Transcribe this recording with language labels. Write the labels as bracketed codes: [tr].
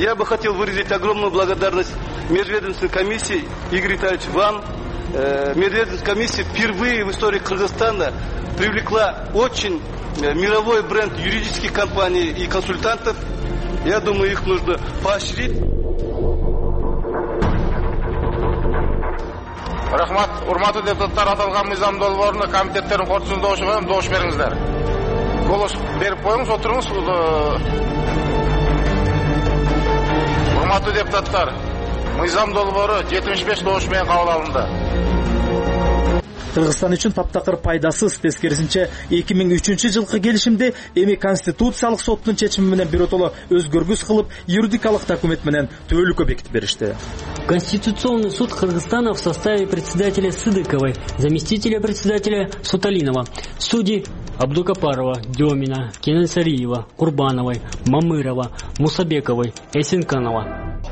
[ru] Я бы хотел выразить огромную благодарность Межведомственной комиссии, Игорь Витальевич, вам. Межведомственная комиссия впервые в истории Кыргызстана привлекла очень мировой бренд юридических компаний и консультантов. Я думаю, их нужно поощрить. [ky] Рахмат, урматтуу депутаттар, аталган мыйзам долбоорунда комитеттердин корутуусун добуш менен добуш бериңиздер. Голос берип коюңуз, отуруңуз. Урматтуу депутаттар, мыйзам долбоору 75 добуш менен кабыл алынды. Кыргызстан үчүн таптакыр пайдасыз, тескерисинче 2003 жылкы келишимди эми Конституциялык соттун чечими менен биротоло өзгөргүс кылып, юридикалык документ менен түбөлүккө бекитип беришти. [ru] Конституционный суд Кыргызстана в составе председателя Сыдыковой, заместителя председателя Суталинова, судей Абдукапарова, Демина, Кенесариева, Курбановой, Мамырова, Мусабековой, Эсенканова.